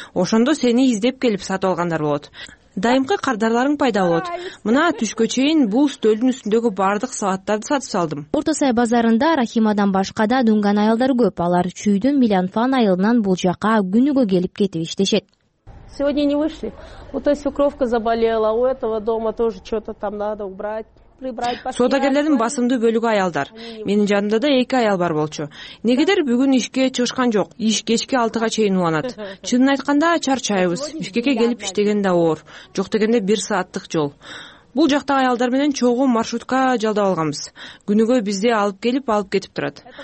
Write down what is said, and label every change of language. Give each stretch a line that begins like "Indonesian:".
Kyrgyz: Ошондо сени издеп келип сатып алгандар болот. Дайымкы кардарларың пайда болот. Мына түшкө чейин бул стөлдүн үстүндөгү бардык салаттарды сатып салдым. Орто Сай базарында Рахимадан башка да дунган аялдар көп. Алар Чүйдүн Милианфан айылынан бул жака күнүгө келип кетип иштешет.
Russian: Сегодня не вышли. Вот эта свекровка заболела, у этого дома тоже что-то там надо убрать.
Kyrgyz: Соодагерлердин басымдуу бөлүгү аялдар. Менин жанымда да 2 аял бар болчу. Негедер бүгүн ишке чыгышкан жок. Иш кечки 6га чейин уланат. Чынын айтканда чарчайбыз. Бишкекке келип иштеген да оор. Жок дегенде 1 сааттык жол. Бул жакта аялдар менен чогуу маршрутка жалдап алганбыз. Күнүгө бизди алып келип, алып кетип турат.